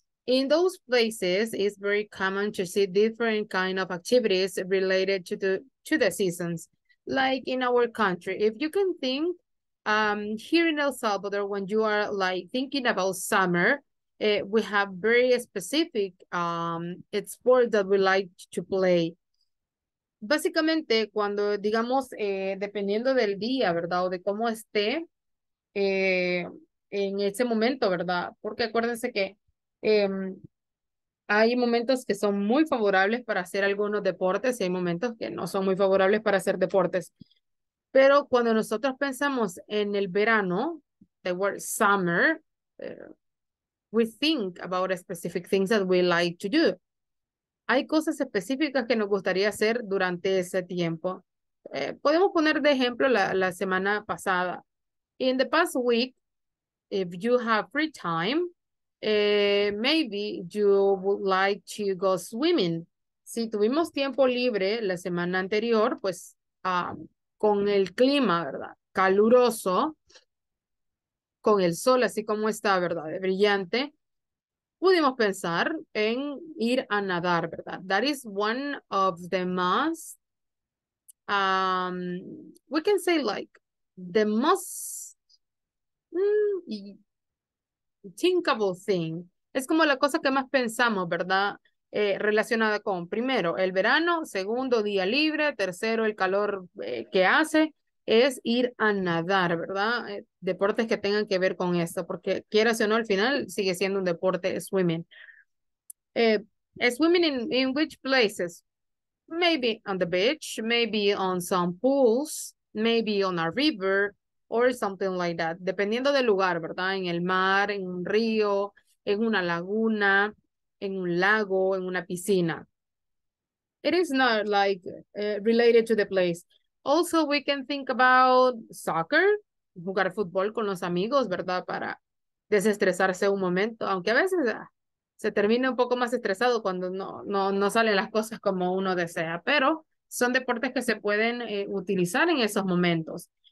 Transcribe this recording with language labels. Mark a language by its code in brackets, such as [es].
[en] In those places, it's very common to see different kind of activities related to the seasons. Like in our country, if you can think here in El Salvador, when you are like thinking about summer, we have very specific sports that we like to play. [es] Básicamente, cuando digamos, dependiendo del día, ¿verdad? O de cómo esté en ese momento, ¿verdad? Porque acuérdense que hay momentos que son muy favorables para hacer algunos deportes y hay momentos que no son muy favorables para hacer deportes. Pero cuando nosotros pensamos en el verano, [en] the word summer, we think about specific things that we like to do. [es] Hay cosas específicas que nos gustaría hacer durante ese tiempo. Podemos poner de ejemplo la semana pasada. [en] In the past week, if you have free time, maybe you would like to go swimming. [es] Si tuvimos tiempo libre la semana anterior, pues con el clima, ¿verdad? Caluroso, con el sol así como está, ¿verdad? De brillante, pudimos pensar en ir a nadar, ¿verdad? [en] That is one of the most, we can say like the most, thinkable thing. [es] Es como la cosa que más pensamos, ¿verdad? Relacionada con, primero, el verano, segundo, día libre, tercero, el calor que hace, es ir a nadar, ¿verdad? Deportes que tengan que ver con esto, porque quieras o no, al final sigue siendo un deporte swimming. [en] Swimming in which places? Maybe on the beach, maybe on some pools, maybe on a river, or something like that, [es] dependiendo del lugar, ¿verdad? En el mar, en un río, en una laguna, en un lago, en una piscina. [en] It is not like related to the place. Also, we can think about soccer, [es] jugar fútbol con los amigos, ¿verdad? Para desestresarse un momento, aunque a veces se termina un poco más estresado cuando no salen las cosas como uno desea, pero son deportes que se pueden utilizar en esos momentos.